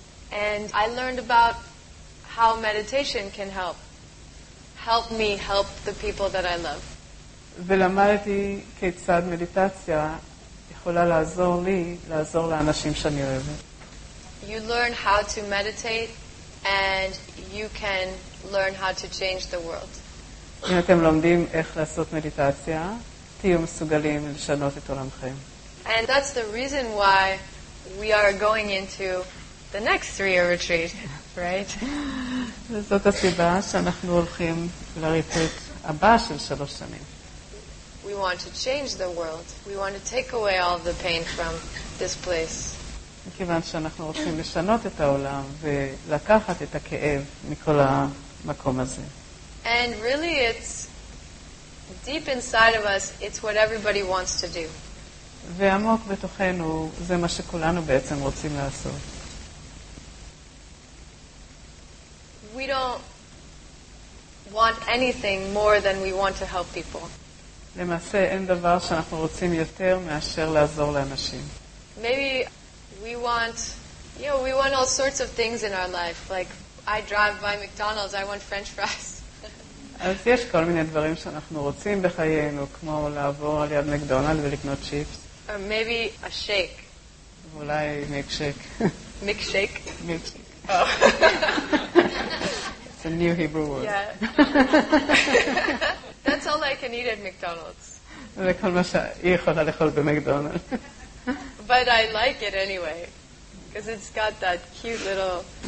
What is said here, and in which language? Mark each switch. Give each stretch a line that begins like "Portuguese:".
English: And I learned about how meditation can help. Help me help the people that I love.
Hebrew: ולמדתי כיצד מדיטציה יכולה לעזור לי לעזור לאנשים שאני אוהבת.
English: You learn how to meditate and you can learn how to change the world.
Hebrew: אם אתם לומדים איך לעשות מדיטציה, תהיו מסוגלים לשנות את עולמכם.
English: And that's the reason why we are going into the next 3-year retreat. Right.
Hebrew: זאת הסיבה שאנחנו הולכים לריטריט הבא של 3 שנים.
English: We want to change the world. We want to take away all the pain from this place.
Hebrew: מכיוון שאנחנו רוצים לשנות את העולם ולקחת את הכאב מכל המקום הזה.
English: And really it's deep inside of us, it's what everybody wants to do.
Hebrew: ועמוק בתוכנו זה מה שכולנו בעצם רוצים לעשות.
English: We don't want anything more than we want to help people.
Hebrew: למעשה, אין דבר שאנחנו רוצים יותר מאשר לעזור לאנשים.
English: Maybe we want, you know, we want all sorts of things in our life. Like, I drive by McDonald's, I want french fries.
Hebrew: אז יש כל מיני דברים שאנחנו רוצים בחיינו, כמו לעבור על יד מקדונלד ולקנות צ'יפס.
English: Or maybe a shake.
Hebrew: אולי מיקשייק. מיקשייק? מיקשייק.
English: Oh. It's a new Hebrew word. Yeah. That's all I can eat at McDonald's.
Hebrew: זה כל מה שהיא יכולה לאכול במקדונלד.
English: But I like it anyway. Because it's got that cute little...